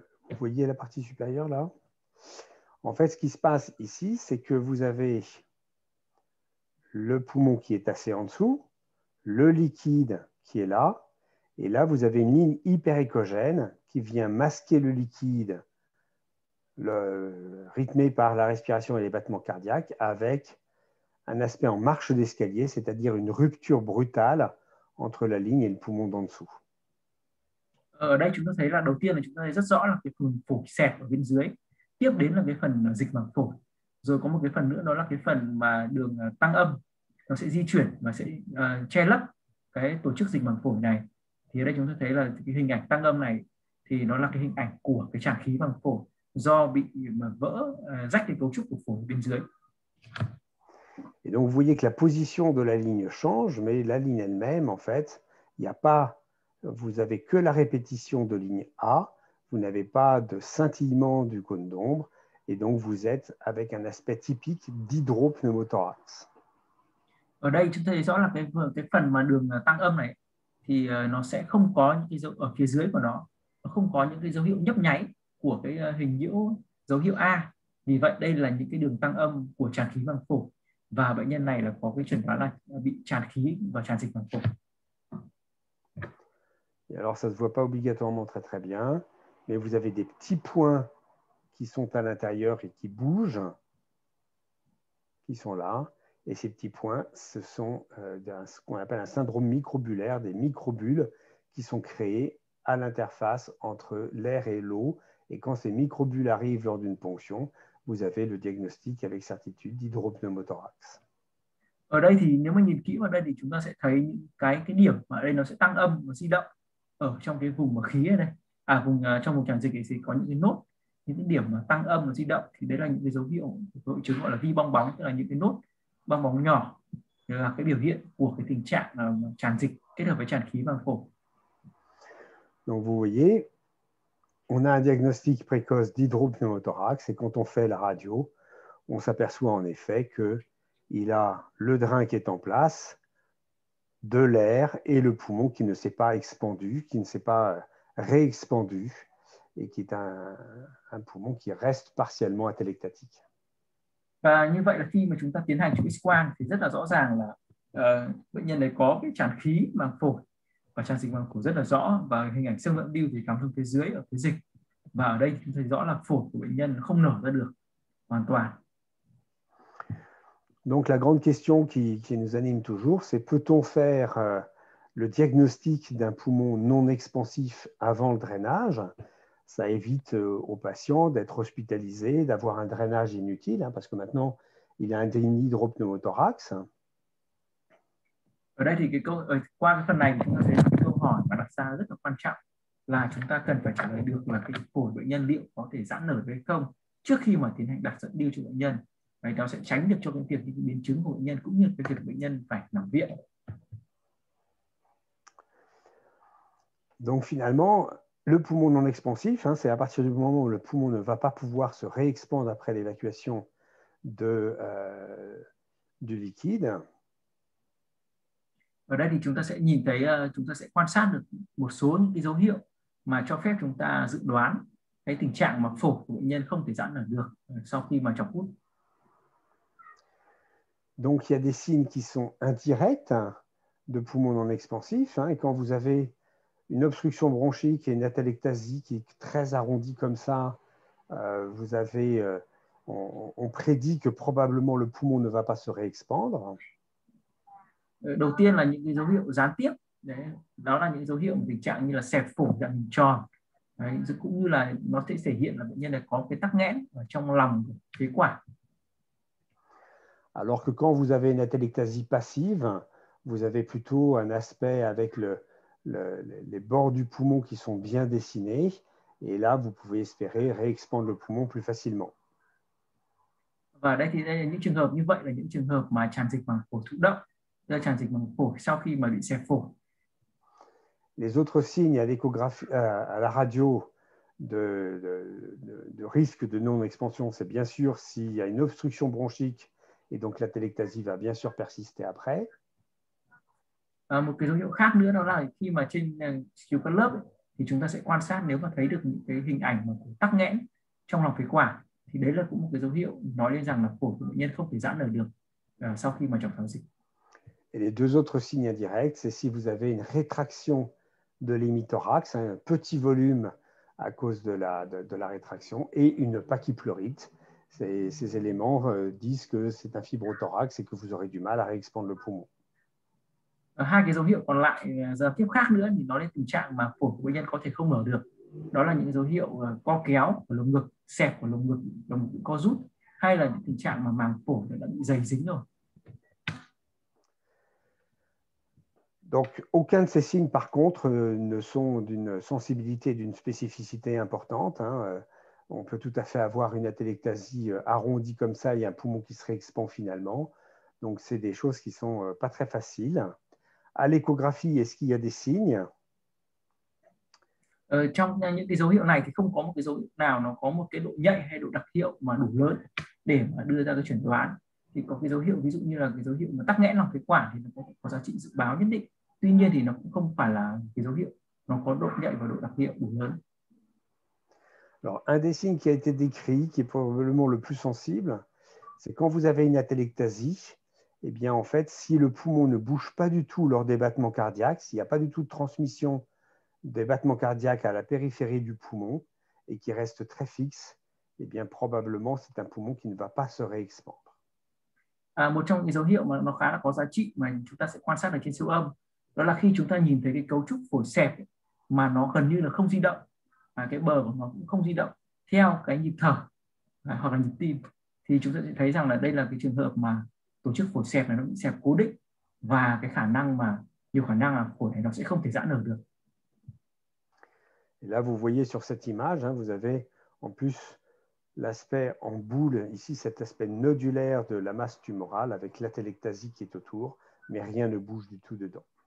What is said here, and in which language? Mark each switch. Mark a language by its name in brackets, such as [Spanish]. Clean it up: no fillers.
[French] Vous voyez la partie supérieure là? En fait, ce qui se passe ici, c'est que vous avez le poumon qui est assez en dessous, le liquide qui est là, et là, vous avez une ligne hyperéchogène qui vient masquer le liquide rythmé par la respiration et les battements cardiaques avec un aspect en marche d'escalier, c'est-à-dire une rupture brutale entre la ligne et le poumon d'en dessous. [Vietnamese] Ở đây chúng ta thấy là đầu tiên là chúng ta thấy rất rõ là cái phần phổi xẹp ở bên dưới, tiếp đến là cái phần dịch màng phổi, rồi có một cái phần nữa đó là cái phần mà đường tăng âm nó sẽ di chuyển và sẽ che lấp cái tổ chức dịch màng phổi này. Thì ở đây chúng ta thấy là cái hình ảnh tăng âm này thì nó là cái hình ảnh của cái tràng khí màng phổi do bị mà vỡ rách cái cấu trúc của phổi bên dưới. [French] Et donc, vous voyez que la position de la ligne change, mais la ligne elle-même, en fait, il n'y a pas, vous avez que la répétition de ligne A, vous n'avez pas de scintillement du cône d'ombre, et donc vous êtes avec un aspect typique d'hydropneumothorax. [Vietnamese] Ở đây, chúng ta thấy rõ là cái phần mà đường tăng âm này, thì nó sẽ không có những cái dấu ở phía dưới của nó không có những cái dấu hiệu nhấp nháy của cái hình nhiễu dấu hiệu A. Vì vậy, đây là những cái đường tăng âm của tràng khí màng phổi. Và bệnh nhân này là có cái chẩn đoán là bị tràn khí và tràn dịch màng phổi. [French] Alors ça se voit pas obligatoirement très très bien, mais vous avez des petits points qui sont à l'intérieur et qui bougent, qui sont là, et ces petits points, ce sont ce qu'on appelle un syndrome microbulaire, des microbules qui sont créées à l'interface entre l'air et l'eau, et quand ces microbules arrivent lors d'une ponction, vous avez le diagnostic avec certitude d'hydropneumothorax. [Vietnamese] Ở đây thì nếu mà nhìn kỹ vào đây thì chúng ta sẽ thấy những cái điểm mà ở đây nó sẽ tăng âm và di động ở trong cái vùng mà khí ở đây. À vùng trong vùng tràng dịch ấy thì có những cái nốt, những cái điểm mà tăng âm và di động thì đấy là những cái dấu hiệu của hội chứng gọi là vi bong bóng, tức là những cái nốt bong bóng nhỏ là cái biểu hiện của cái tình trạng tràn dịch kết hợp với tràn khí màng phổi. [French] Donc vous voyez, on a un diagnostic précoce d'hydropneumothorax et quand on fait la radio, on s'aperçoit en effet qu'il a le drain qui est en place, de l'air et le poumon qui ne s'est pas expandu, qui ne s'est pas réexpandu et qui est un poumon qui reste partiellement atelectatique. [Vietnamese] Và như vậy là khi mà chúng ta tiến hành chụp X-quang thì rất là rõ ràng là bệnh nhân này có cái tràn khí màng phổi và tràn dịch màng phổi rất là rõ, và hình ảnh xương lẫn bưu thì cắm xuống phía dưới ở phía dịch, và ở đây chúng thấy rõ là phổi của bệnh nhân không nở ra được hoàn toàn. [French] Donc la grande question qui nous anime toujours, c'est peut-on faire le diagnostic d'un poumon non expansif avant le drainage? Ça évite au patient d'être hospitalisé, d'avoir un drainage inutile, hein, parce que maintenant il a un hydropneumothorax. [Vietnamese] Ở đây thì qua cái phần này chúng ta sẽ câu hỏi mà đặt ra rất là quan trọng là chúng ta cần phải trả lời được là cái phổi bệnh nhân liệu có thể giãn nở hay không trước khi mà tiến hành đặt dẫn lưu cho bệnh nhân. Đấy, nó sẽ tránh được cho cái việc những biến chứng của bệnh nhân cũng như cái việc bệnh nhân phải nằm viện. [French] Donc finalement, Le poumon non expansif, hein, c'est à partir du moment où le poumon ne va pas pouvoir se réexpandre après l'évacuation du liquide. [Vietnamese] Ở đây thì chúng ta sẽ nhìn thấy, chúng ta sẽ quan sát được một số những cái dấu hiệu mà cho phép chúng ta dự đoán cái tình trạng mà phổi của bệnh nhân không thể giãn nở được sau khi mà chọc hút. [French] Donc, il y a des signes qui sont indirects de poumons non expansifs. Hein, et quand vous avez une obstruction bronchique et une atelectasie qui est très arrondie comme ça, on prédit que probablement le poumon ne va pas se réexpandre. [Vietnamese] Đầu tiên là những cái dấu hiệu gián tiếp đấy, đó là những dấu hiệu tình trạng như là xẹp phổi dạng hình tròn đấy, cũng như là nó sẽ thể hiện là bệnh nhân này có cái tắc nghẽn ở trong lòng phế quản. [French] Alors que quand vous avez une atelectasie passive, vous avez plutôt un aspect avec les bords du poumon qui sont bien dessinés. Et là, vous pouvez espérer réexpandre le poumon plus facilement. [Vietnamese] Và đây thì đây là những trường hợp như vậy là những trường hợp mà tràn dịch bằng phổi thụ động, tràn dịch bằng phổi sau khi mà bị xẹp phổi. [French] Les autres signes à l'échographie, à la radio de risque de non-expansion, c'est bien sûr s'il y a une obstruction bronchique. Et donc l'atélectasie va bien sûr persister après. [Vietnamese] À, một cái dấu hiệu khác nữa đó là khi mà trên chiếu cắt lớp ấy, thì chúng ta sẽ quan sát nếu mà thấy được những cái hình ảnh mà của tắc nghẽn trong lòng phế quản thì đấy là cũng một cái dấu hiệu nói lên rằng là phổi của bệnh nhân không thể giãn nở được sau khi mà chọc tháo dịch. [French] Et les deux autres signes indirects, c'est si vous avez une rétraction de l'hémithorax, un petit volume à cause de la rétraction et une pachypleurite. Ces éléments disent que c'est un fibrothorax et que vous aurez du mal à réexpandre le poumon. [Vietnamese] Hai cái dấu hiệu còn lại giao tiếp khác nữa thì nói lên tình trạng mà phổi của bệnh nhân có thể không mở được, đó là những dấu hiệu co kéo của lồng ngực, xẹp của lồng ngực co rút, hay là những tình trạng mà màng phổi đã bị dày dính rồi. [French] Donc, aucun de ces signes, par contre, ne sont d'une sensibilité, d'une spécificité importante. Hein. On peut tout à fait avoir une atélectasie arrondie comme ça et un poumon qui se réexpand finalement. Donc, c'est des choses qui ne sont pas très faciles. À l'échographie, est-ce qu'il y a des signes? [Vietnamese] Trong những cái dấu hiệu này thì không có một cái dấu hiệu nào nó có một cái độ nhạy hay độ đặc hiệu mà đủ lớn để mà đưa ra cái chẩn đoán. Thì có cái dấu hiệu ví dụ như là cái dấu hiệu mà tắc nghẽn lòng phế quản thì nó có giá trị dự báo nhất định. Tuy nhiên thì nó cũng không phải là cái dấu hiệu nó có độ nhạy và độ đặc hiệu đủ lớn. [French] Alors, un des signes qui a été décrit, qui est probablement le plus sensible, c'est quand vous avez une atélectasie, eh bien, en fait, si le poumon ne bouge pas du tout lors des battements cardiaques, s'il n'y a pas du tout de transmission des battements cardiaques à la périphérie du poumon et qui reste très fixe, eh bien, probablement, c'est un poumon qui ne va pas se réexpandre. [Vietnamese] À, một trong những dấu hiệu mà nó khá là có giá trị mà chúng ta sẽ quan sát ở trên siêu âm đó là khi chúng ta nhìn thấy cái cấu trúc phổi xẹp mà nó gần như là không di động, à, cái bờ của nó cũng không di động theo cái nhịp thở, à, hoặc là nhịp tim, thì chúng ta sẽ thấy rằng là đây là cái trường hợp mà tổ chức phổi xẹp này nó bị xẹp cố định và cái khả năng mà nhiều khả năng là phổi này nó sẽ không thể giãn nở được. [French] Là, vous voyez sur cette image, hein, vous avez en plus l'aspect en boule, ici cet aspect nodulaire de la masse tumorale avec l'atélectasie qui est autour, mais rien ne bouge du tout dedans.